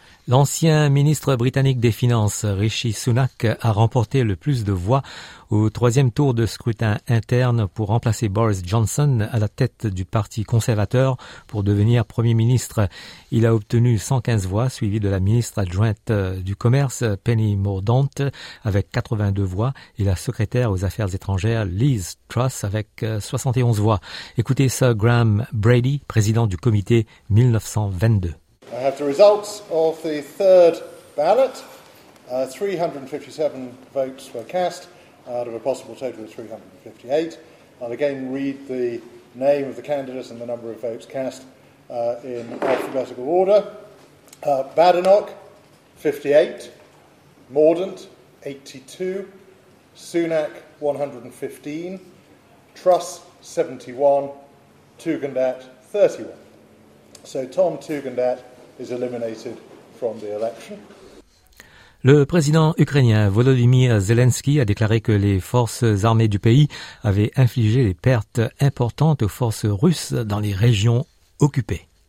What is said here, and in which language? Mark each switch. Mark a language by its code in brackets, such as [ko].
[fr] L'ancien ministre britannique des Finances, Rishi Sunak, a remporté le plus de voix au 3e tour de scrutin interne pour remplacer Boris Johnson à la tête du Parti conservateur pour devenir Premier ministre. Il a obtenu 115 voix, suivi de la ministre adjointe du Commerce, Penny Mordaunt, avec 82 voix, et la secrétaire aux Affaires étrangères, Liz Truss, avec 71 voix. Écoutez Sir Graham Brady, président du comité 1922. [en] I have the results of the third ballot. 357 votes were cast out of a possible total of 358. I'll again read the name of the candidate and the number of votes cast in alphabetical order. Badenoch, 58. Mordaunt, 82. Sunak, 115. Truss, 71. Tugendhat, 31. So Tom Tugendhat is eliminated from the election. [fr] Le président ukrainien Volodymyr Zelensky a déclaré que les forces armées du pays avaient infligé des pertes importantes aux forces russes dans les régions occupées.